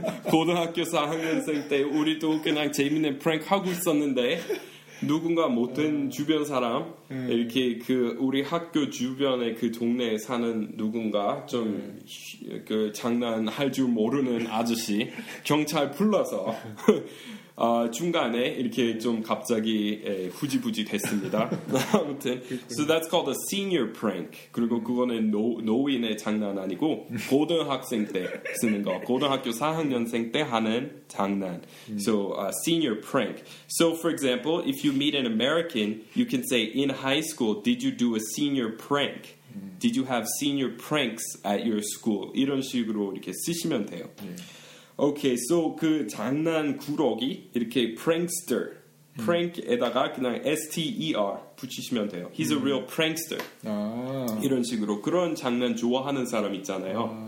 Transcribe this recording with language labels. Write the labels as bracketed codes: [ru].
[ko] 고등학교 4학년생 때 우리도 그냥 재밌는 프랭크 하고 있었는데 누군가 못된 주변 사람 이렇게 그 우리 학교 주변에 그 동네에 사는 누군가 좀 그 장난할 줄 모르는 아저씨 경찰 불러서 중간에 이렇게 좀 갑자기 후지부지 됐습니다. 아무튼 [en] so that's called a senior prank. [ko] 그리고 그거는 노인의 장난 아니고 고등학생 때 쓰는 거. 고등학교 4학년생 때 하는 장난. [en] So a senior prank. So for example, if you meet an American, you can say in high school, did you do a senior prank? Did you have senior pranks at your school? [ko] 이런 식으로 이렇게 쓰시면 돼요. [en] Okay, so [ko] 그 장난 꾸러기 이렇게 prankster, prank에다가 그냥 S-T-E-R 붙이시면 돼요. [en] He's a real prankster. [ko] 아. 이런 식으로 그런 장난 좋아하는 사람 있잖아요.